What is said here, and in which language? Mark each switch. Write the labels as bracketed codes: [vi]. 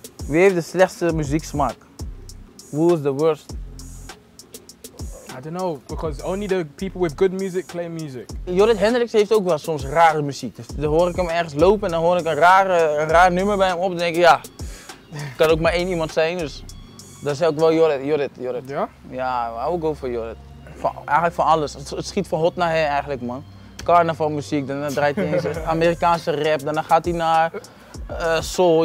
[nl] Wie heeft de slechtste muzieksmaak? [en] Who is the worst? I don't know, because only the people with good music play music. [nl] Jorrit Hendricks heeft ook wel soms rare muziek. Dus dan hoor ik hem ergens lopen en dan hoor ik een raar nummer bij hem op. Dan denk ik, ja, het kan ook maar één iemand zijn. Dus dat is ook wel Jorrit. Ja? [en] Ja, I will go for Jorrit. [nl] Eigenlijk van alles. Het schiet van hot naar her eigenlijk, man. Carnaval muziek, dan draait hij ineens Amerikaanse rap, dan gaat hij naar soul.